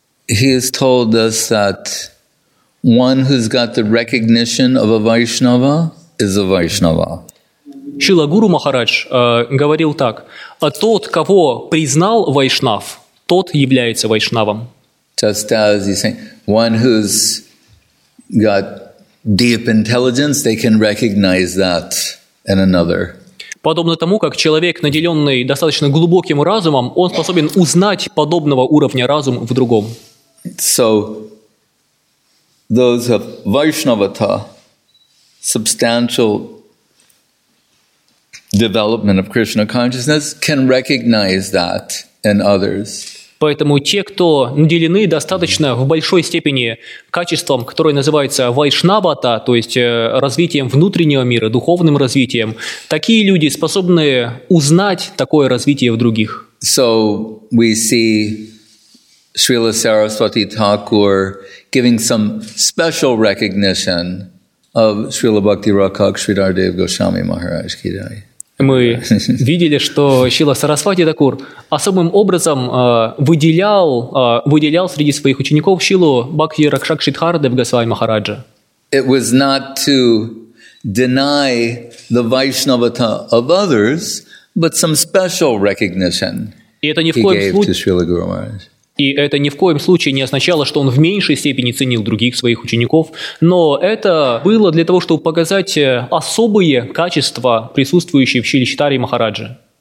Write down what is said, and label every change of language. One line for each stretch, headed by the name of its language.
English: He has told us that one who's got the recognition of a Vaishnava is a Vaishnava.
Russian: Шрила Гуру Махарадж говорил так: тот, кого признал Вайшнав, тот является Вайшнавом.
English: Just as he's saying, one who's got deep intelligence, they can recognize that in another.
Russian: Подобно тому, как человек, наделенный достаточно глубоким разумом, он способен узнать подобного уровня разум в другом.
English: So, those of Vaishnavata, substantial development of Krishna consciousness, can recognize that in others.
Russian: Поэтому те, кто наделены достаточно в большой степени качеством, которое называется Вайшнавата, то есть развитием внутреннего мира, духовным развитием, такие люди способны узнать такое развитие в других.
English: So, we see Srila Saraswati Thakur giving some special recognition of Srila Bhakti Rakak Sridhar Dev Goswami Maharaj Ki Jai.
Russian: Мы видели, что Шрила Сарасвати Такур особым образом выделял среди своих учеников Шрилу Бхакти Ракшак Шридхар Дев Госвами Махараджа.
English: It was not to deny the Vaishnavata of others, but some special recognition he gave to Srila Guru Maharaj.
Russian: И это ни в коем случае не означало, что он в меньшей степени ценил других своих учеников, но это было для того, чтобы показать особые качества, присутствующие в Шриле Чайтанья Махараджи.